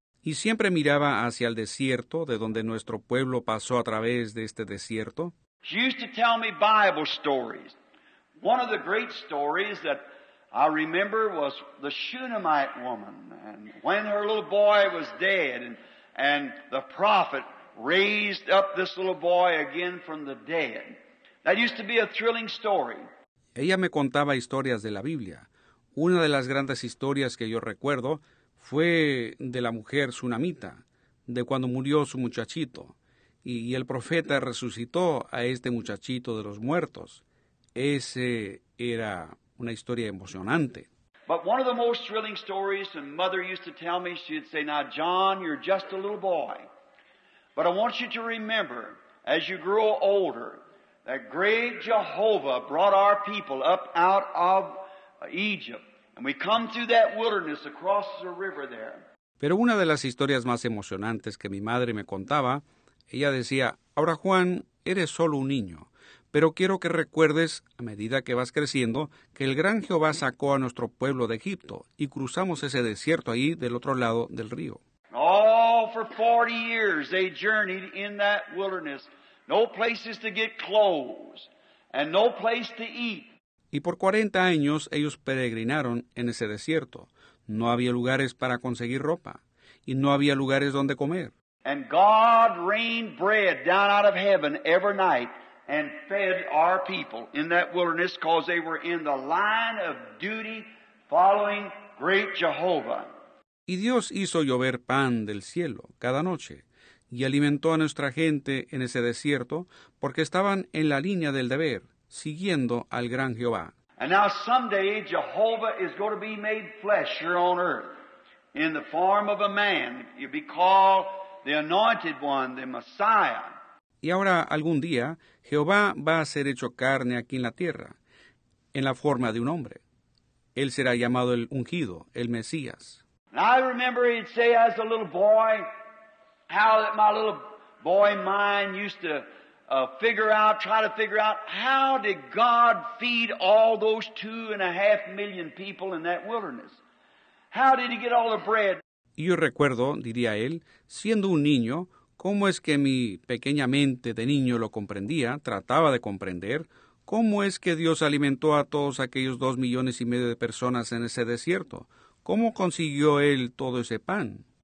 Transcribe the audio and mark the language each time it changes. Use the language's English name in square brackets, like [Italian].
[Spanish] Y siempre miraba hacia el desierto de donde nuestro pueblo pasó a través de este desierto. [English] She used to tell me Bible stories. One of the great stories that I remember was the Shunammite woman, and when her little boy was dead, and the prophet raised up this little boy again from the dead. That used to be a thrilling story. [Spanish] Ella me contaba historias de la Biblia. Una de las grandes historias que yo recuerdo fue de la mujer sunamita, de cuando murió su muchachito, y el profeta resucitó a este muchachito de los muertos. Ese era una historia emocionante. [English] But one of the most thrilling stories, and mother used to tell me, she'd say, now John, you're just a little boy, but I want you to remember, as you grow older, that great Jehovah brought our people up out of Egypt, and we come through that wilderness across the river there. [Spanish] Pero una de las historias más emocionantes que mi madre me contaba, ella decía, ahora Juan, eres solo un niño. Pero quiero que recuerdes, a medida que vas creciendo, que el gran Jehová sacó a nuestro pueblo de Egipto y cruzamos ese desierto ahí del otro lado del río. [English] Oh, for 40 years they journeyed in that wilderness. No places to get clothes and no place to eat. [Spanish] Y por 40 años ellos peregrinaron en ese desierto. No había lugares para conseguir ropa y no había lugares donde comer. [English] And God rained bread down out of heaven every night. And fed our people in that wilderness because they were in the line of duty following great Jehovah. [Spanish] Y Dios hizo llover pan del cielo cada noche y alimentó a nuestra gente en ese desierto porque estaban en la línea del deber siguiendo al gran Jehová. [English] And now someday Jehovah is going to be made flesh here on earth in the form of a man. He'll be called the Anointed One, the Messiah. [Spanish] Y ahora, algún día, Jehová va a ser hecho carne aquí en la tierra, en la forma de un hombre. Él será llamado el ungido, el Mesías. [English] I remember he'd say as a little boy, how that my little boy mind used to try to figure out, how did God feed all those 2.5 million people in that wilderness? How did he get all the bread? [Spanish] Y yo recuerdo, diría él, siendo un niño, ¿cómo es que mi pequeña mente de niño lo comprendía, trataba de comprender? ¿Cómo es que Dios alimentó a todos aquellos 2.5 millones de personas en ese desierto? ¿Cómo consiguió Él todo ese pan?